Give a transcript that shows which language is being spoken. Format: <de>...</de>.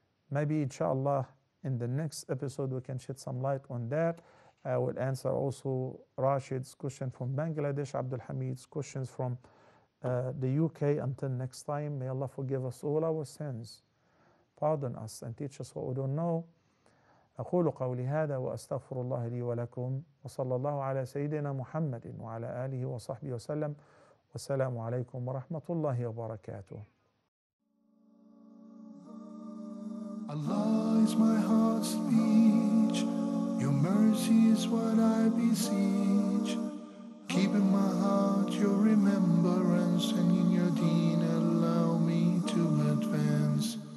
<en>Maybe inshallah in the next episode we can shed some light on that. I will answer also Rashid's question from Bangladesh, Abdul Hamid's questions from the UK. Until next time, may Allah forgive us all our sins, pardon us, and teach us what we don't know.</en> <ar>أقول قولي هذا وأستغفر الله لي ولكم وصلى الله على سيدنا محمد وعلى آله وصحبه وسلم والسلام عليكم ورحمة الله وبركاته.</ar> <en>Allah is my heart's speech, your mercy is what I beseech. Keep in my heart your remembrance and in your deen allow me to advance.</en>